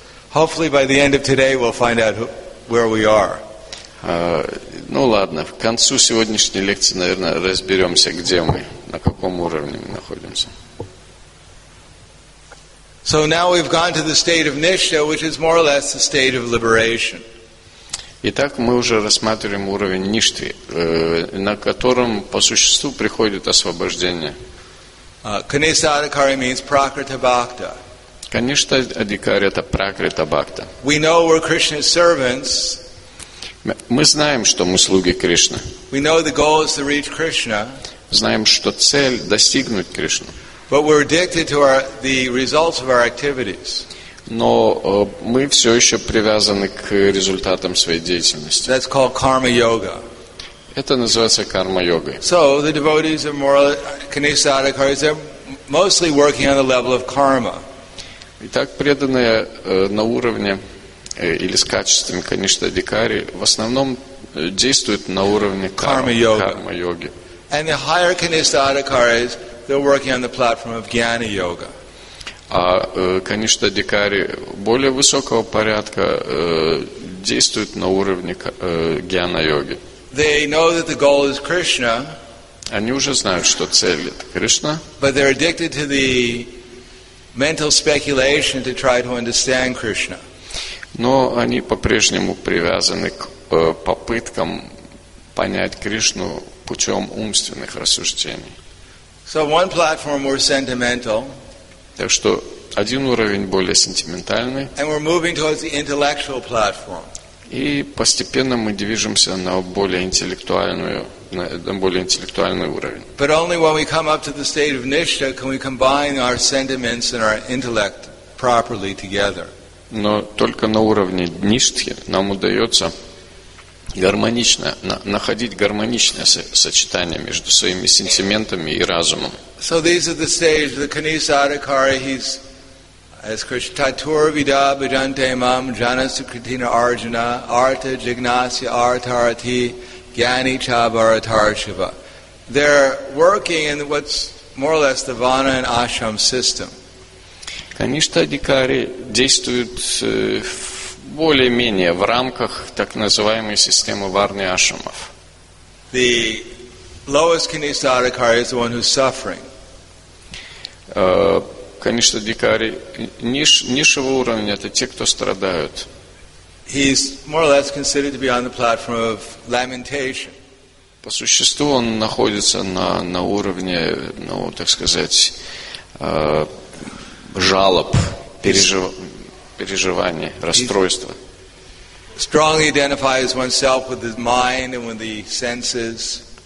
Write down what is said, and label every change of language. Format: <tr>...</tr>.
<en>Hopefully by the end of today we'll find out where we are.</en> <ru>Ну ладно, к концу сегодняшней лекции, наверное, разберемся, где мы, на каком уровне мы находимся.</ru> <en>So now we've gone to the state of Nishtha, which is more or less the state of liberation.</en> <ru>Итак, мы уже рассматриваем уровень ништхи, на котором по существу приходит освобождение.</ru> <en>Kanishta adhikari means prakrita bhakta.</en> <ru>Kanishta adhikari – это prakrita bhakta.</ru> <en>We know we're Krishna's servants.</en> <ru>Мы знаем, что мы слуги Кришны.</ru> <en>We know the goal is to reach Krishna.</en> <ru>Знаем, что цель – достигнуть Кришну.</ru> <en>But we're addicted to the results of our activities.</en> <ru>Но мы все еще привязаны к результатам своей деятельности.</ru> <en>That's called karma yoga.</en> <ru>Это называется карма-йогой.</ru> <en>So the devotees of moral kanishta adhikaris, they're mostly working on the level of karma.</en> <ru>Итак, преданные на уровне или с качествами каништа адхикари в основном действуют на уровне карма-йоги.</ru> <en>And the higher kanishta adhikaris, they're working on the platform of jnana yoga.</en> <ru>А конечно, дикари более высокого порядка действуют на уровне гьяна-йоги.</ru> <en>They know that the goal is Krishna.</en> <ru>Они уже знают, что цель – это Кришна.</ru> <en>But they're addicted to the mental speculation to try to understand Krishna.</en> <ru>Но они по-прежнему привязаны к попыткам понять Кришну путем умственных рассуждений.</ru> <en>So one platform were sentimental.</en> <ru>Так что один уровень более сентиментальный.</ru> <en>And we're moving towards the intellectual platform.</en> <ru>И постепенно мы движемся на более интеллектуальную, на более интеллектуальный уровень.</ru> <en>But only when we come up to the state of Nishtha can we combine our sentiments and our intellect properly together.</en> <ru>Но только на уровне ништхи нам удается гармонично находить гармоничное сочетание между своими сентиментами и разумом.</ru> <en>So these are the stages of the kanishta adhikari. He's as Krishna</en> <sa>tatur vida bhajante mam jana sukritina arjuna arta jignasi artarati gyani chabaratarshiva.</sa> <en>They're working in what's more or less the vana and ashram system.</en> <ru>Kanishta adhikari действуют более-менее в рамках так называемой системы варны ашрамов.</ru> <en>The lowest kanishta adhikari is the one who's suffering.</en> <ru>Конечно, дикари низшего уровня это те, кто страдают.</ru> <en>He's more or less considered to be on the platform of lamentation.</en> <ru>По существу он находится на уровне, ну, так сказать, жалоб, переживаний, расстройства.</ru> <en>He strongly identifies oneself with his mind and with the senses.</en>